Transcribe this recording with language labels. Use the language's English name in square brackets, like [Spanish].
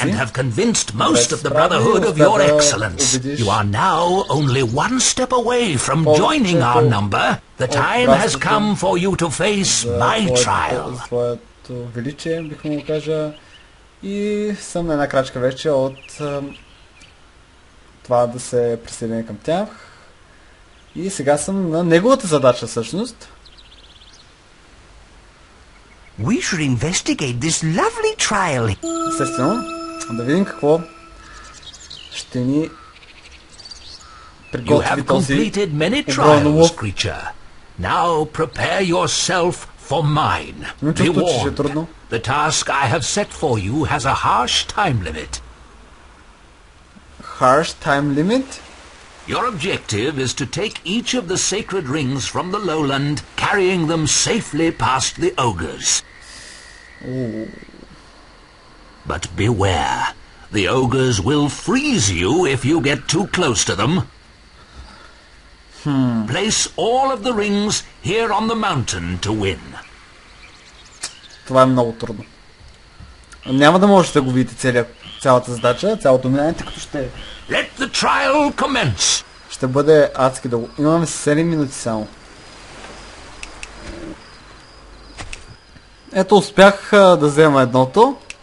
[English] And have convinced most of the Brotherhood of your excellence. You are now only one step away from joining our number. The time has come for you to face my trial. [Bulgarian] За своето величие, бих му кажа. И съм на една крачка вече от това да се присъединя към тях. И сега съм на неговата задача всъщност. [English] We should investigate this lovely trial. [Bulgarian] Естествено, да видим какво ще ни приготви този огромно [English] creature. Now prepare yourself for mine. Be warned. The task I have set for you has a harsh time limit. Harsh time limit? Your objective is to take each of the sacred rings from the lowland, carrying them safely past the ogres. But beware. The ogres will freeze you if you get too close to them. Place all of the rings here on the mountain to win. [Bulgarian] Това е много трудно. Няма да можете да го видите цялата задача, цялото минание, като ще... [English] Let the trial commence! [Bulgarian] Ще бъде адски дълго. Имаме 7 минути само. Ето, успях да взема едното.